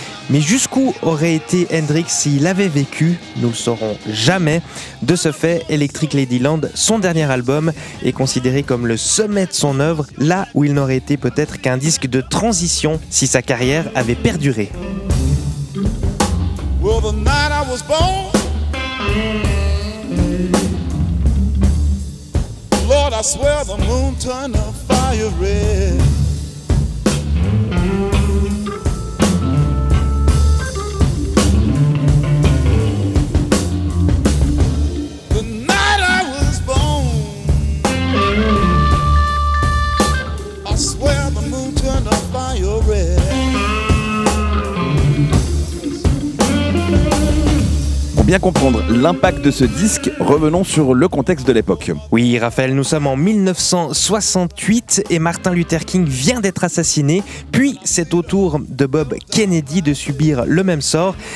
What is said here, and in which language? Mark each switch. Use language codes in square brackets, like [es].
[fr] Mais jusqu'où aurait été Hendrix s'il avait vécu? Nous le saurons jamais. De ce fait, Electric Ladyland, son dernier album, est considéré comme le sommet de son œuvre, là où il n'aurait été peut-être qu'un disque de transition si sa carrière avait perduré. [en] Well, the night I was born, Lord, I swear the moon turned a fire red. The night I was born, I swear the moon turned a fire red. [fr] Bien comprendre l'impact de ce disque, revenons sur le contexte de l'époque. Oui, Raphaël, nous sommes en 1968 et Martin Luther King vient d'être assassiné. Puis, c'est au tour de Bob Kennedy de subir le même sort.